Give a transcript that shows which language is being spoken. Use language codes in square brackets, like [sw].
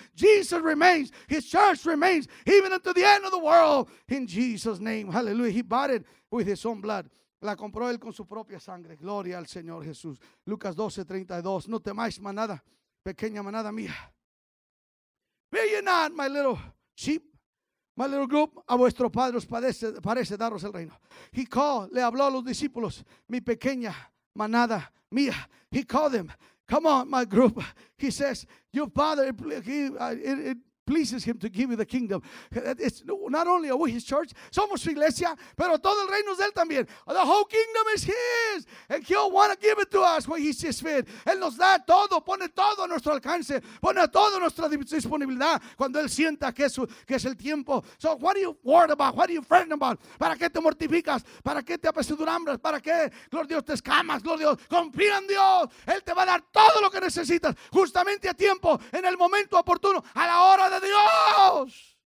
[en] Jesus remains. His church remains even unto the end of the world. In Jesus' name. Hallelujah. He bought it with his own blood. [es] La compró él con su propia sangre. Gloria al Señor Jesús. Lucas 12:32. No temáis manada, pequeña manada mía. [en] Fear ye not, my little sheep, my little group, [es] a vuestro padre os parece daros el reino. [en] He called, [es] le habló a los discípulos, mi pequeña manada mía. [en] He called them, come on, my group. He says, your father, it pleases him to give you the kingdom. It's not only are we his church, [es] somos su iglesia, pero todo el reino es de él también. [en] The whole kingdom is his, and he'll want to give it to us when he sees fit. [es] Él nos da todo, pone todo a nuestro alcance, pone todo a nuestra disponibilidad cuando él sienta que es el tiempo. [en] So what are you worried about? What are you afraid about? [es] ¿Para qué te mortificas? ¿Para qué te apesadumbras? ¿Para qué, gloria a Dios, te escamas? Gloria a Dios, confía en Dios. Él te va a dar todo lo que necesitas justamente a tiempo, en el momento oportuno, a la hora de Dios.